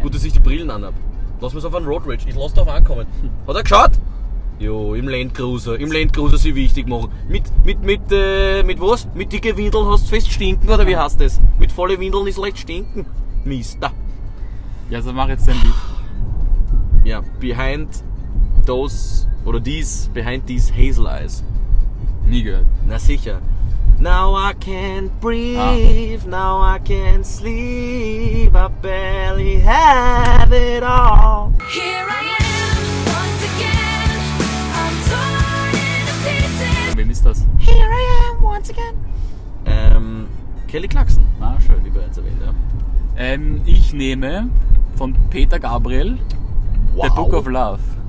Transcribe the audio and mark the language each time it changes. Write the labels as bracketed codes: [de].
[de] Gut, dass ich die Brillen anhab. Lass mich auf einen Road Rage. Ich lass darauf ankommen. Hat er geschaut? Jo, im Land Cruiser. Im Land Cruiser sie wichtig machen. Mit was? Mit dicke Windeln hast du fest stinken, oder wie heißt das? Mit volle Windeln ist leicht stinken. [en] Mister. [de] Ja, so mach jetzt dein Lied. [en] Ja, behind those. Oder these. Behind these hazel eyes. [de] Nie gehört. Na sicher. [en] Now I can't breathe, now I can't sleep, I barely have it all. Here I am, once again, I'm torn in pieces. [de] Wem ist das? [en] Here I am, once again. Kelly Clarkson. [de] Ah, schön, wie bereits erwähnt, ja. Ich nehme von Peter Gabriel, wow, The Book of Love.